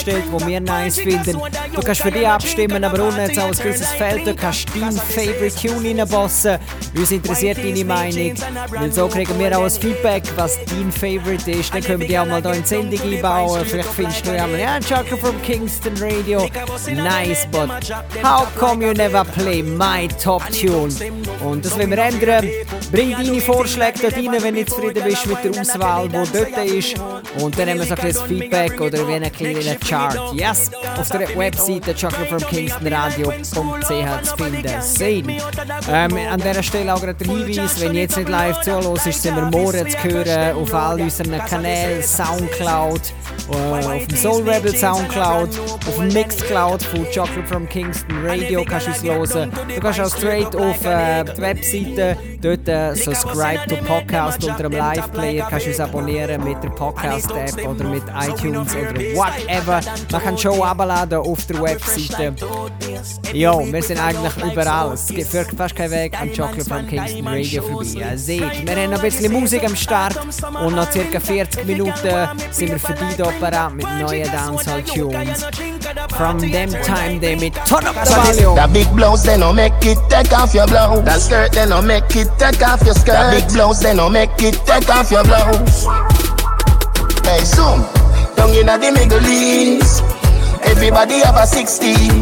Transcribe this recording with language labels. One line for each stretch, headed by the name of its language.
German: abgestellt, wo wir nice finden. Du kannst für die abstimmen, aber unten jetzt auch ein gewisses Feld. Du kannst dein Favorite Tune reinbossen. Uns interessiert deine Meinung. Denn so kriegen wir auch ein Feedback, was dein Favorite ist. Dann können wir die auch mal hier in die Sendung einbauen. Vielleicht findest du ja mal, ja, Chucker from Kingston Radio.
English: Nice, but how come you never play my top tune?
German: Und das wollen wir ändern. Bring deine Vorschläge dort rein, wenn du zufrieden bist mit der Auswahl, die dort ist. Und dann nehmen wir so ein bisschen Feedback oder wie ein kleiner Chart. Yes, auf der Webseite chucklefromkingstonradio.ch zu finden. Sehen. An dieser Stelle auch gerade der Hinweis, wenn jetzt nicht live zuhörst, ist, sind wir morgen zu hören auf all unseren Kanälen, Soundcloud, auf dem Soul Rebel Soundcloud, auf dem Mixcloud von Chocolate from Kingston Radio kannst du es hören. Du kannst auch straight auf die Webseite, dort
English: subscribe to Podcast
German: unter dem Live-Player, kannst du uns abonnieren mit der Podcast-App oder mit iTunes oder whatever. Man kann Show abladen auf der Webseite. Jo, wir sind eigentlich überall. Es führt fast keinen Weg an Chocolate from Kingston Radio vorbei. Ja, seht, wir haben noch ein bisschen Musik am Start und nach ca. 40 Minuten sind wir für die Opera mit neuen Dancehall-Tunes.
English: From them time, they me turn up the volume. The big blouse, they no make it take off your blouse. The skirt, they no make it take off your skirt. The big blouse, they no make it take off your blouse. Hey, zoom. Down in the Middle East. Everybody have a 16.